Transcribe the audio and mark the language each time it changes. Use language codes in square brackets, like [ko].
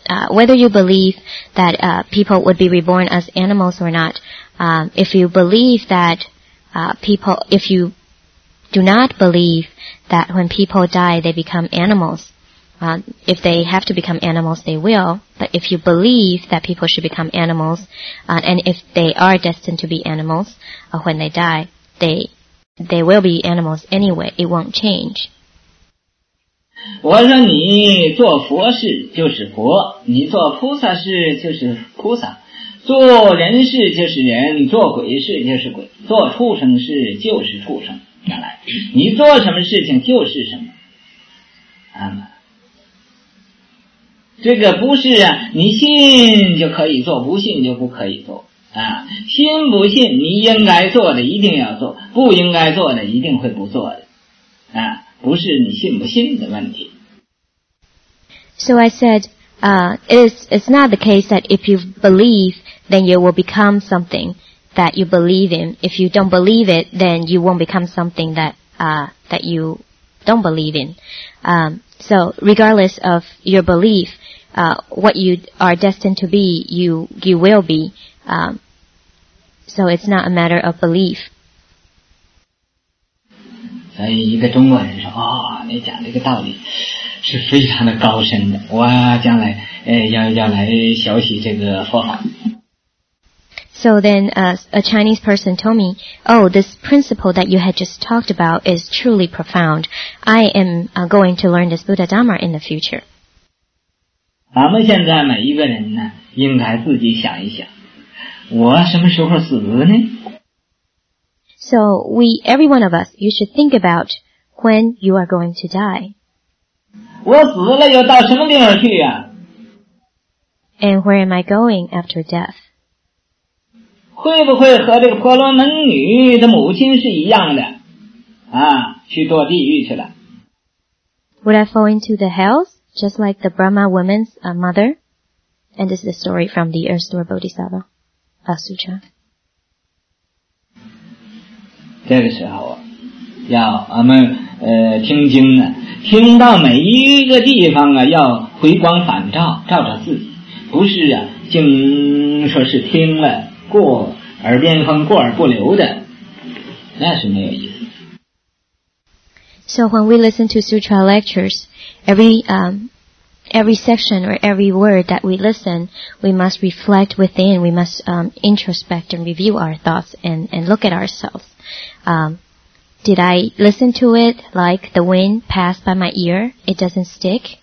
[en] Whether you believe that people would be reborn as animals or not, if you believe that if you do not believe that when people die they become animals, if they have to become animals they will, but if you believe that people should become animals, and if they are destined to be animals when they die, they will be animals anyway, it won't change. [zh] 我说你做佛事就是佛，你做菩萨事就是菩萨，做人事就是人，做鬼事就是鬼，做畜生事就是畜生，原来你做什么事情就是什么、这个不是啊，你信就可以做，不信就不可以做啊。信不信你应该做的一定要做，不应该做的一定会不做的啊。不是你信不信的问题。 [en] So I said, it's not the case that if you believe, then you will become something that you believe in. If you don't believe it, then you won't become something that, that you don't believe in. So regardless of your belief, what you are destined to be, you will be. So it's not a matter of belief. [zh] 所以一个中国人说你讲这个道理是非常的高深的，我将来要来学习这个佛法。 [en] So then, a Chinese person told me, oh, this principle that you had just talked about is truly profound. I am going to learn this Buddha Dhamma in the future. [zh] 咱们现在每一个人呢，应该自己想一想，我什么时候死呢？ [en] So we, every one of us, you should think about when you are going to die. [zh] 我死了又到什么地方去呀？ [en] And where am I going after death? [zh] 会不会和这个婆罗门女的母亲是一样的？去堕地狱去了。 [en] Would I fall into the hells, just like the Brahma woman's mother? And this is a story from the Erastura Bodhisattva, Asutra. [zh] 这个时候要我们听经呢，听到每一个地方啊，要回光返照，照照自己，不是啊经说是听了过耳边风过耳不留的，那是没有意思。 [en] So when we listen to sutra lectures, every section or every word that we listen, we must reflect within, we must introspect and review our thoughts and look at ourselves. Did I listen to it like the wind passed by my ear? It doesn't stick